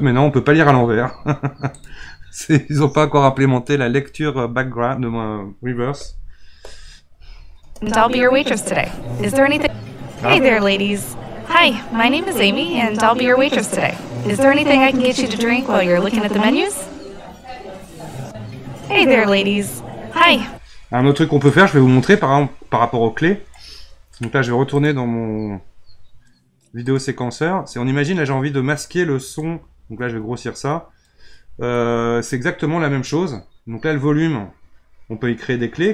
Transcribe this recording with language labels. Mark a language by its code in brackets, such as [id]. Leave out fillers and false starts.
[fr] Mais non, on peut pas lire à l'envers. Ils ont pas encore implémenté la lecture background de mon reverse. [en] And I'll be your waitress today. Is there anything? Hey there, ladies. Hi, my name is Amy, and I'll be your waitress today. Is there anything I can get you to drink while you're looking at the menus? Hey there, ladies. Hi. [fr] Un autre truc qu'on peut faire, je vais vous montrer par exemple, par rapport aux clés. Donc là, je vais retourner dans mon vidéo séquenceur. C'est, on imagine, là, j'ai envie de masquer le son. Donc là, je vais grossir ça. C'est exactement la même chose. Donc là, le volume, on peut y créer des clés.